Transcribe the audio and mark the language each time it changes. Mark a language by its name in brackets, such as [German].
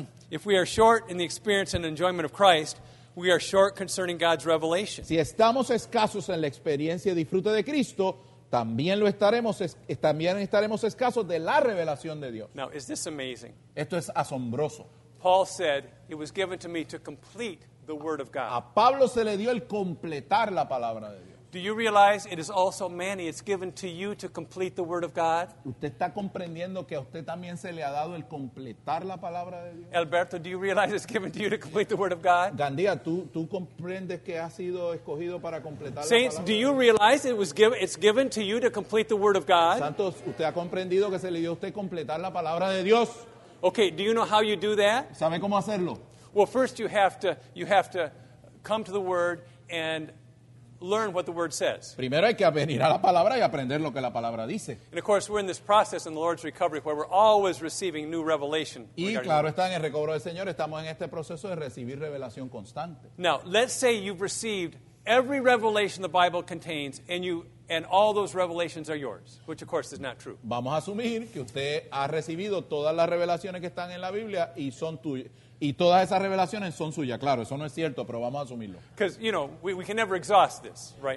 [English] If we are short in the experience and enjoyment of Christ, we are short concerning God's revelation. [Spanish] Si estamos escasos en la experiencia y disfrute de Cristo, también estaremos escasos de la revelación de Dios. [English] Now, is this amazing? [Spanish] Esto es asombroso. [English] Paul said, it was given to me to complete the word of God. [Spanish] A Pablo se le dio el completar la palabra de Dios. [English] Do you realize it is also many? It's given to you to complete the Word of God. [Spanish] ¿Usted está comprendiendo que a usted también se le ha dado el completar la palabra de Dios? [English] Alberto, do you realize it's given to you to complete the Word of God? [Spanish] Gandía, tú comprendes que has sido escogido para completar [English] Saints, [Spanish] la palabra de Dios? [English] Saints, do you realize it was given? It's given to you to complete the Word of God. [Spanish] Santos, ¿usted ha comprendido que se le dio a usted completar la palabra de Dios? [English] Okay, do you know how you do that? [Spanish] ¿Sabe cómo hacerlo? [English] Well, first you have to come to the Word and learn what the Word says. [Spanish] Primero hay que venir a la palabra y aprender lo que la palabra dice. [English] And of course, we're in this process in the Lord's recovery where we're always receiving new revelation. [Spanish] Y claro está, en el recobro del Señor estamos en este proceso de recibir revelación constante. [English] Now, let's say you've received every revelation the Bible contains and all those revelations are yours, which of course is not true. [Spanish] Vamos a asumir que usted ha recibido todas las revelaciones que están en la Biblia y son tuyas. Y todas esas revelaciones son suyas, claro, eso no es cierto, pero vamos a asumirlo. [English] Because, you know, we can never exhaust this, right?